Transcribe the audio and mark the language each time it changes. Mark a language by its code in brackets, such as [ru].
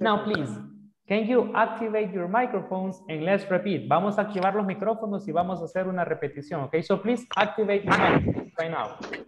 [en] Now please, can you activate your microphones and let's repeat. [es] Vamos a activar los micrófonos y vamos a hacer una repetición. [en] Okay, so please activate your microphones right now.